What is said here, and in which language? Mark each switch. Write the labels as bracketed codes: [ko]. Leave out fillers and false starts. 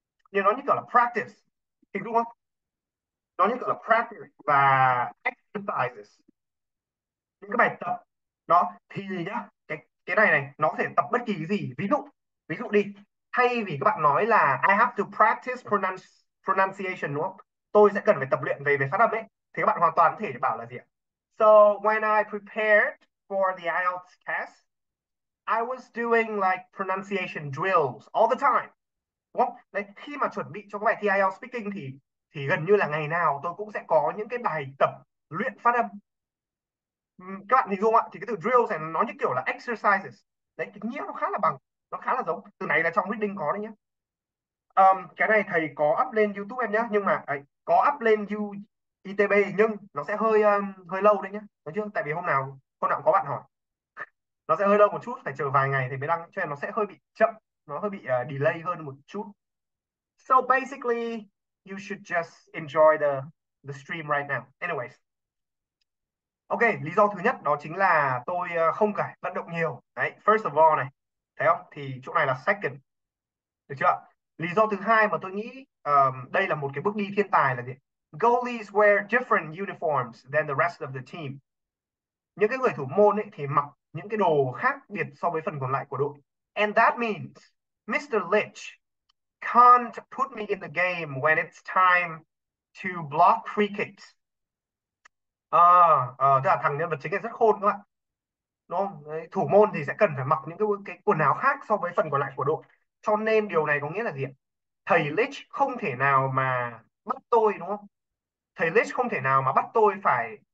[vi] Nhưng nó như kiểu là practice. Hình dung không? Nó như kiểu là practice và exercises. Những cái bài tập. Đó. Thì nhá. Cái này này. Nó có thể tập bất kỳ cái gì. Ví dụ đi. Thay vì các bạn nói là [en] I have to practice pronunciation [vi] đúng không? Tôi sẽ cần phải tập luyện về về phát âm ấy. Thì các bạn hoàn toàn có thể bảo là gì ạ? [en] So when I prepared for the IELTS test, I was doing like pronunciation drills all the time. [vi] Đúng không? Đấy, khi mà chuẩn bị cho cái bài thi IELTS speaking thì gần như là ngày nào tôi cũng sẽ có những cái bài tập luyện phát âm. Các bạn hình dung ạ, thì cái từ drills này nó như kiểu là exercises. Đấy, cái nghĩa nó khá là bằng, nó khá là giống. Từ này là trong reading có đấy nhé. Cái này thầy có up lên YouTube em nhé, nhưng mà ấy, có up lên ITB nhưng nó sẽ hơi hơi lâu đấy nhé, nói chung tại vì hôm nào cũng có bạn hỏi, nó sẽ hơi lâu một chút, phải chờ vài ngày thì mới đăng, cho nên nó sẽ hơi bị chậm, nó hơi bị delay hơn một chút. [en] So basically you should just enjoy the stream right now. [vi] Anyways, ok, lý do thứ nhất đó chính là tôi không phải vận động nhiều đấy, [en] first of all [vi] này, thấy không, thì chỗ này là second, được chưa? Lý do thứ hai mà tôi nghĩ đây là một cái bước đi thiên tài là gì? [en] Goalies wear different uniforms than the rest of the team. [vi] Những cái người thủ môn ấy thì mặc những cái đồ khác biệt so với phần còn lại của đội. [en] And that means Mr. Lynch can't put me in the game when it's time to block free kicks. [vi] Tức là thằng nhân vật chính này rất khôn các bạn. Đúng không? Đấy, thủ môn thì sẽ cần phải mặc những cái quần áo khác so với phần còn lại của đội. Cho nên điều này có nghĩa là gì? Thầy Lich không thể nào mà bắt tôi, đúng không? Thầy Lich không thể nào mà bắt tôi phải